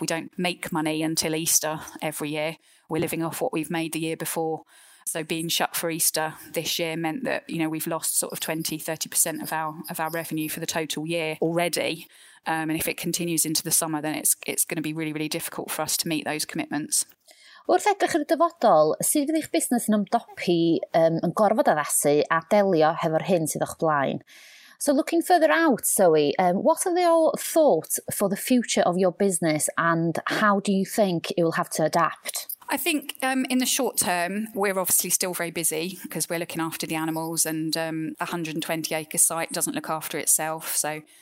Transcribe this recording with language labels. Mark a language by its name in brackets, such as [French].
[English] We don't make money until Easter every year. We're living off what we've made the year before. So being shut for Easter this year meant that, you know, we've lost sort of 20-30% of our revenue for the total year already. And if it continues into the summer, then it's going to be really, really difficult for us to meet those commitments. [Welsh] Wrth edrych i'r dyfodol, sydd fydd eich busnes yn ymdopi yn gorfod addasu a delio hefo'r hyn sydd o'ch blaen? [English] So looking further out, Zoe, what are your thoughts for the future of your business and how do you think it will have to adapt? I think in the short term, we're obviously still very busy because we're looking after the animals, and 120-acre site doesn't look after itself. So